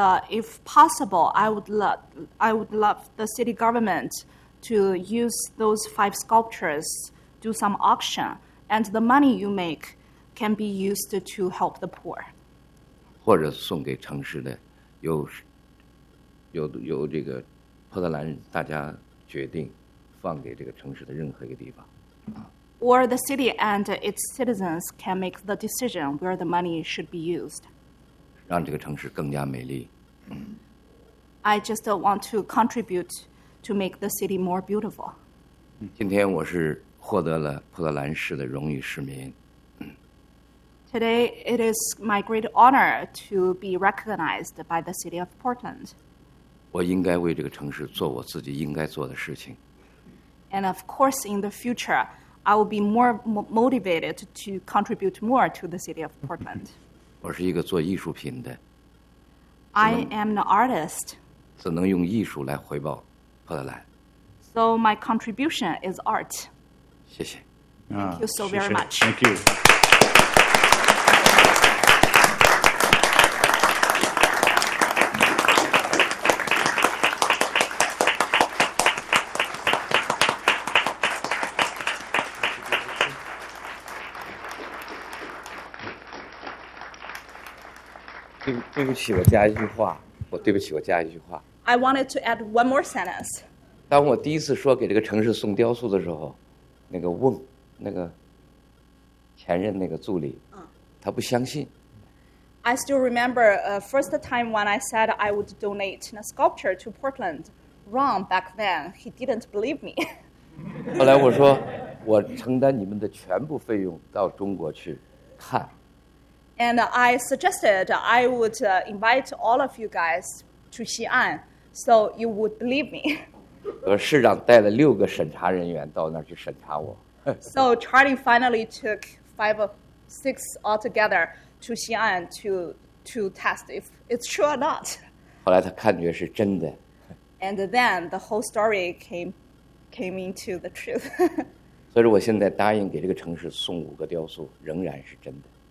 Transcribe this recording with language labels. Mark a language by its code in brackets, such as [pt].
[en] If possible, I would love the city government to use those 5 sculptures do some auction, and the money you make can be used to help the poor. [zh] 或者送给城市的。由这个波特兰大家决定放给这个城市的任何一个地方。 [en] Or the city and its citizens can make the decision where the money should be used. [zh] 让这个城市更加美丽。 [en] I just want to contribute to make the city more beautiful. [zh] 今天我是获得了波特兰市的荣誉市民。 [en] Today, it is my great honor to be recognized by the city of Portland. [zh] 我应该为这个城市做我自己应该做的事情。 [en] And of course, in the future, I will be more motivated to contribute more to the city of Portland. [zh] 我是一个做艺术品的。 [en] I am an artist. [zh] 只能用艺术来回报波特兰。 [en] So my contribution is art. [zh] 谢谢。 [en] Thank you so very much. Thank you. [zh] 对不起，我加一句话。我对不起，我加一句话。 [en] I wanted to add one more sentence. [zh] 当我第一次说给这个城市送雕塑的时候，那个翁，那个前任那个助理，他不相信。 [en] I still remember the first time when I said I would donate a sculpture to Portland. Ron, back then, he didn't believe me. [zh] 后来我说，我承担你们的全部费用到中国去看。 [en] And I suggested I would invite all of you guys to Xi'an, so you would believe me. [zh] 我市长带了六个审查人员到那儿去审查我。 [en] So Charlie finally took six altogether to Xi'an to test if it's true or not. [zh] 后来他看觉是真的。 [en] And then the whole story came into the truth. [zh] 所以我现在答应给这个城市送五个雕塑仍然是真的。